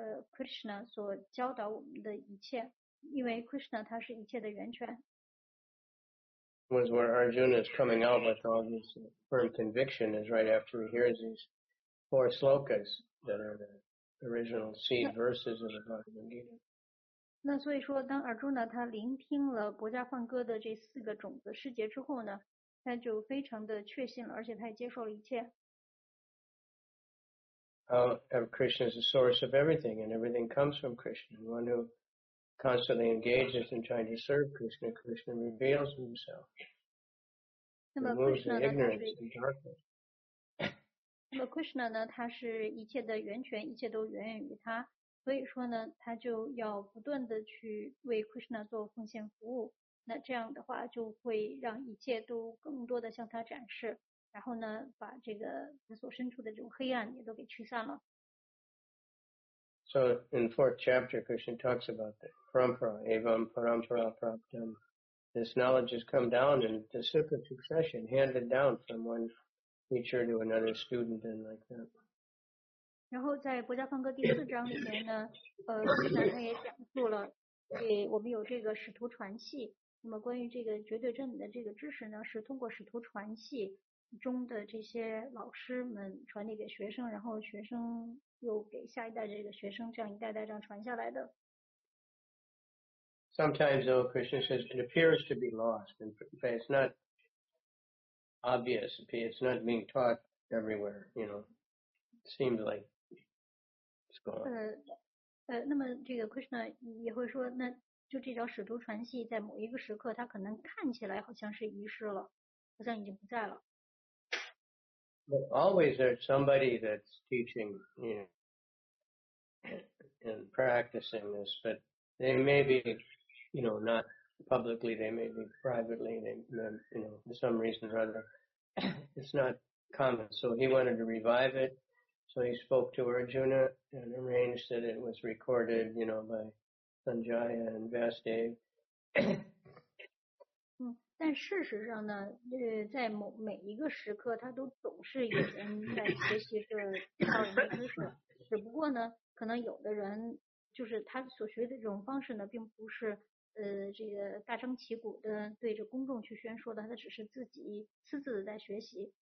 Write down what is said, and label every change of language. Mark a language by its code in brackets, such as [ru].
[zh] Krishna 所教导我们的一切，因为 Krishna 他是一切的源泉。 [en] Was where Arjuna is coming out with all his firm conviction is right after he hears these four slokas that are the original seed verses of the Bhagavad Gita. [zh] 那所以说，当 Arjuna 他聆听了薄伽梵歌的这四个种子世界之后呢，他就非常的确信了，而且他也接受了一切。 [en] Krishna is the source of everything, and everything comes from Krishna. The one who constantly engages in trying to serve Krishna, Krishna reveals himself, removes the ignorance and darkness. [zh] 那么 Krishna 呢，他是一切的源泉，一切都源源于他。所以说呢，他就要不断的去为 Krishna 做奉献服务。那这样的话，就会让一切都更多的向他展示。然后呢，把这个他所身处的这种黑暗也都给驱散了。 [en] So in fourth chapter, Krishna talks about the parampara, [sa] evam parampara praptam. [en] This knowledge has come down in disciplic succession, handed down from one teacher to another student and like that. [zh] 然后在薄伽梵歌第四章里面呢，Krishna 他也讲述了，给我们有这个使徒传系。那么关于这个绝对真理的这个知识呢，是通过使徒传系。中的这些老师们传递给学生，然后学生又给下一代这个学生，这样一代代这样传下来的。 [en] Sometimes though, Krishna says it appears to be lost, and it's not obvious. It's not being taught everywhere. You know, seems like it's gone. [zh] 那么这个 Krishna 也会说，那就这条使徒传系在某一个时刻，它可能看起来好像是遗失了，好像已经不在了。 [en] But always there's somebody that's teaching, you know, and practicing this, but they may be, you know, not publicly, they may be privately, they, you know, for some reason or other, it's not common. So he wanted to revive it. So he spoke to Arjuna and arranged that it was recorded, you know, by Sanjaya and Vasudev. [zh] 但事实上呢，在每一个时刻，他都总是有人在学习这道人的知识。只不过呢，可能有的人就是他所学的这种方式呢，并不是这个大张旗鼓的对着公众去宣说的，他只是自己私自的在学习。